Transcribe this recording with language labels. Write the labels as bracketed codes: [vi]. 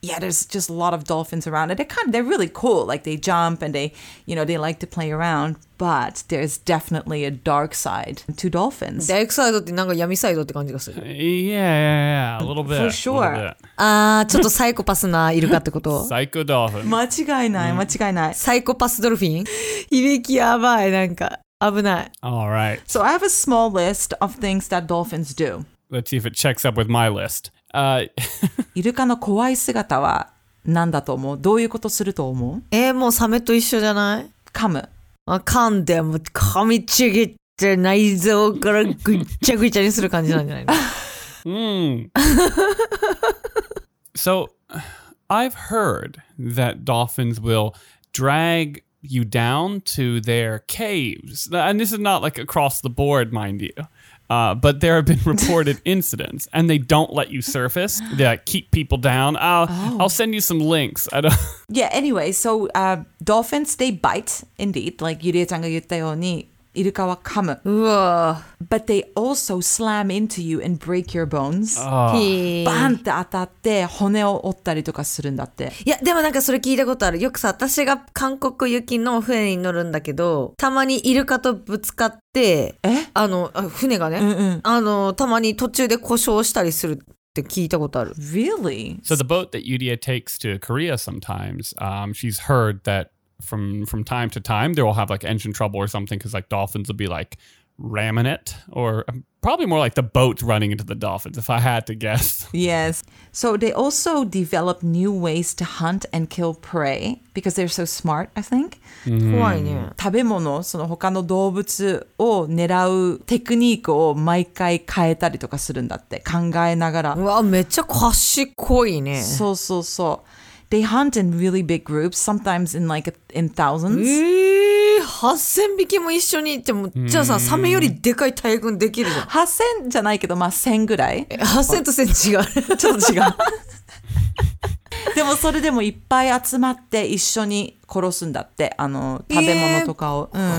[en] Yeah, there's just a lot of dolphins around and they're really cool. Like they jump and they, you know, they like to play around. But there's definitely a dark side to dolphins. [ja] Dark side ってなんか闇サイドって感じがする。 [en] Yeah, a little bit. For sure. [ja] ああ、ちょっとサイコパスなイルカってこと。サイコドルフィン。間違いない、間違いない。サイコパスドルフィン？響きやばい、なんか危ない。 [en] All right. So I have a small list of things that dolphins do. Let's see if it checks up with my list. [ja] イルカの怖い姿は何だと思う？どういうことすると思う？もうサメと一緒じゃない？噛む。噛んでも噛みちぎって内臓からぐっちゃぐちゃにする感じなんじゃないの？ [en] So, I've heard that dolphins will drag you down to their caves. And this is not like across the board, mind you. But there have been reported incidents and they don't let you surface. They like, keep people down. I'll send you some links. I don't... Yeah, anyway, so dolphins, they bite, indeed. [ja] Like Yurie-chan が言ったようにイルカは噛む。 [en] But they also slam into you and break your bones. [ja] バンって当たって骨を折ったりとかするんだって。いや、でもなんかそれ聞いたことある。よくさ、私が韓国行きの船に乗るんだけど、たまにイルカとぶつかって、船がね、たまに途中で故障したりするって聞いたことある。 [en] Really? So the boat that Yuria takes to Korea sometimes, she's heard that. From time to time, they will have like engine trouble or something because like dolphins will be like ramming it, or probably more like the boat running into the dolphins, if I had to guess. Yes. So they also develop new ways to hunt and kill prey because they're so smart, I think. [ja] 怖いね。食べ物、その他の動物を狙うテクニックを毎回変えたりとかするんだって、考えながら。うわ、めっちゃ賢いね。そうそうそう。 [en] They hunt in really big groups, sometimes in like in thousands. [ja] 8000匹も一緒に行っても、じゃあさ、サメよりでかい大群できるじゃん。 8000じゃないけど、まあ1000ぐらい。 8000と1000違う。ちょっと違う。でもそれでもいっぱい集まって一緒に殺すんだって、食べ物とかを。